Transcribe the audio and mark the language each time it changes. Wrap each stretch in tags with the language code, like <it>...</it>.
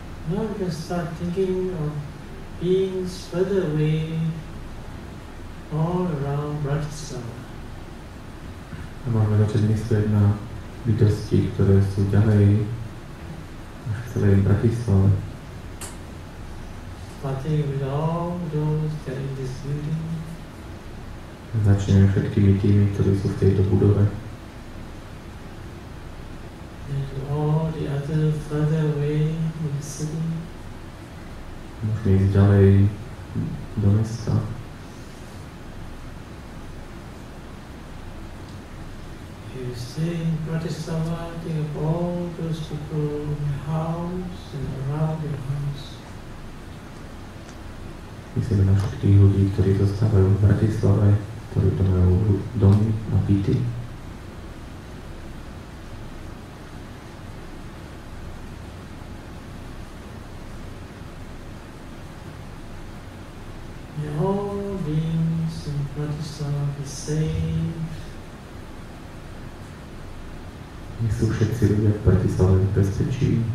<en>heart just start thinking of beings further away all around Bratislava.</en> <sk>A môžeme začať myslieť na bytosti, ktoré sú ďalej v celej Bratislave.</sk> <en>Starting with all those that are in this building.</en> <sk>Začneme všetkými tými, ktorí sú v tejto budove.</sk> <en>And all the other further away in the city.</en> <sk>Môžeme ísť ďalej do mesta.</sk> <en>You see in Bratislava, think of all those people in the house and around your house.</en> <sk>Myslíme na všetkých ľudí, ktorí zostávajú v Bratislave, ktorí to majú domy a byty.</sk> <en>May all beings in Bratislava be safe.</en> <sk>My sú všetci ľudia v Bratislave v bezpečí.</sk>